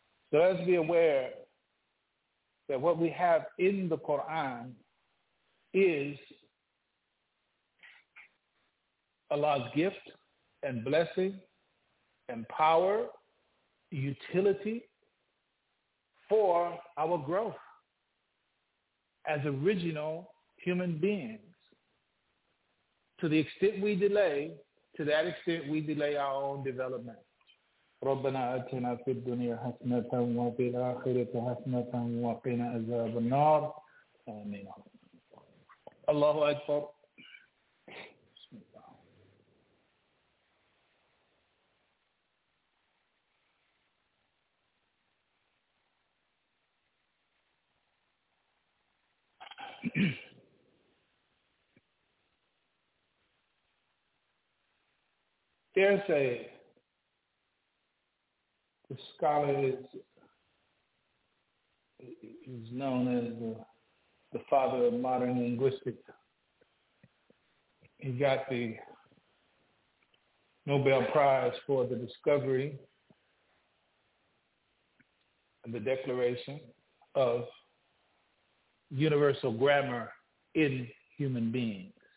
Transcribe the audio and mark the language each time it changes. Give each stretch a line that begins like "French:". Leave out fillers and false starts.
English: So let's be aware that what we have in the Quran is Allah's gift and blessing and power, utility for our growth as original human beings. To the extent we delay, to that extent we delay our own development.
Arabic: ربنا آتنا في الدنيا حسنة وفي الآخرة حسنة وقنا عذاب النار آمين الله أكبر
English: There say the scholar is known as the father of modern linguistics. He got the Nobel Prize for the discovery and the declaration of universal grammar in human beings.